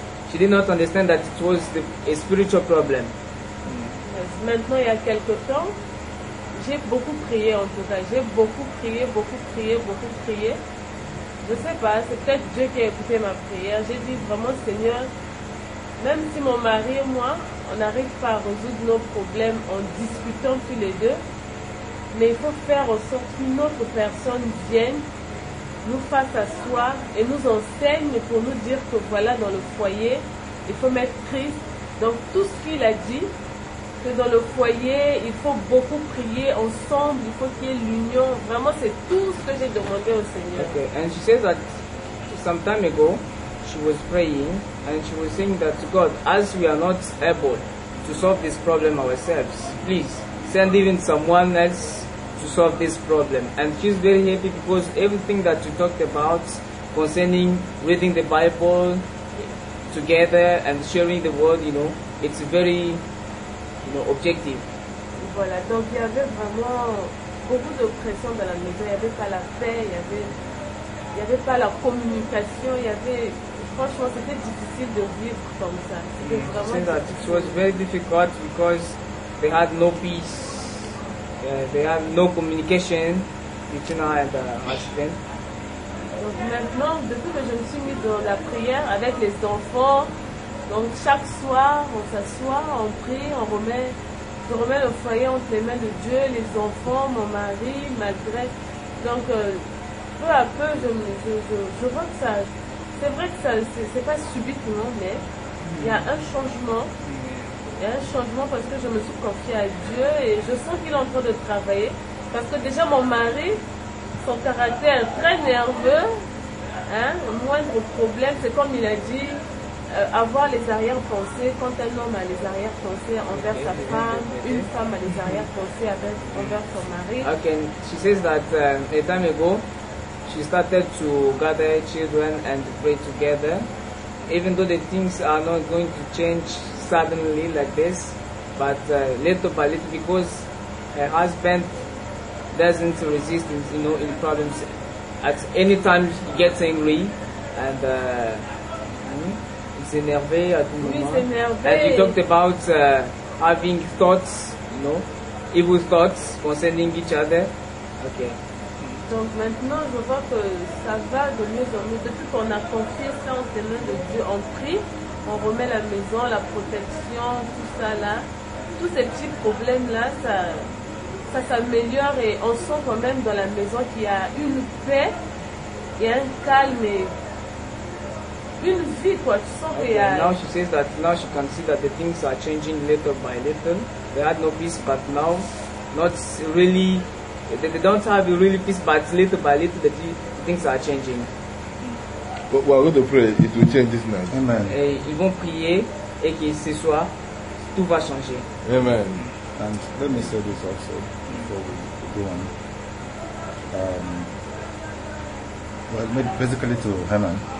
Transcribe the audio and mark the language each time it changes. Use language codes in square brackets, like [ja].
[en] She did not understand that it was a spiritual problem. Yes. [fr] Maintenant, il y a quelque temps, j'ai beaucoup prié en tout cas. J'ai beaucoup prié, beaucoup prié, beaucoup prié. Je ne sais pas, c'est peut-être Dieu qui a écouté ma prière. J'ai dit vraiment, Seigneur, même si mon mari et moi, on n'arrive pas à résoudre nos problèmes en discutant tous les deux, mais il faut faire en sorte qu'une autre personne vienne nous fasse asseoir et nous enseigne pour nous dire que voilà, dans le foyer, il faut mettre Christ. Donc tout ce qu'il a dit, que dans le foyer, il faut beaucoup prier ensemble, il faut qu'il y ait l'union. Vraiment, c'est tout ce que j'ai demandé au Seigneur. [en] Okay. And she says that some time ago, she was praying and she was saying that God, as we are not able to solve this problem ourselves, please send even someone else to solve this problem. And she's very happy because everything that you talked about concerning reading the Bible together and sharing the word, you know, it's very, you know, objective. [fr] Voilà, donc il y avait vraiment beaucoup de pression dans la maison, il y avait pas la paix, il y avait pas la communication, il y avait, franchement, c'était difficile de vivre comme ça. [en] It was very difficult because they had no peace. They have no communication between her and her husband. [fr] Donc maintenant, depuis que je me suis mise dans la prière avec les enfants, donc chaque soir, on s'assoit, on prie, je remets le foyer entre les mains de Dieu, les enfants, mon mari, malgré. Donc, peu à peu, je vois que ça. C'est vrai que ça, c'est pas subitement, mais il y a un changement. Il y a un changement parce que je me suis confiée à Dieu et je sens qu'il est en train de travailler. Parce que déjà mon mari, son caractère très nerveux, moindre problème, c'est comme il a dit, avoir les arrière-pensées, quand un homme a les arrière-pensées envers sa femme, une femme a les arrière-pensées envers son mari. [en] Ok, she says that a time ago, she started to gather children and pray together. Even though the things are not going to change suddenly like this, but little by little, because her husband doesn't resist, you know, in problems. At any time he gets angry and he's énervé at the moment. [fr] Oui, [en] and he talked about having thoughts, you know, evil thoughts concerning each other. Okay. [fr] Donc maintenant, je vois que ça va de mieux en mieux. Depuis qu'on a confiance en main de Dieu, on prie, on remet la maison, la protection, tout ça là. Tous ces petits problèmes-là, ça s'améliore et on sent quand même dans la maison qu'il y a une paix et un calme et une vie, quoi. Tu sens qu'il y a... [en] Now she says that now she can see that the things are changing little by little. They had no peace, but now, not really... They don't have really peace, but little by little, the things are changing. But we are going to pray. It will change this night. Amen. [fr] Ils vont prier et que ce soir, tout va changer. [en] Amen. And let me say this also before we go on. Maybe basically to Herman.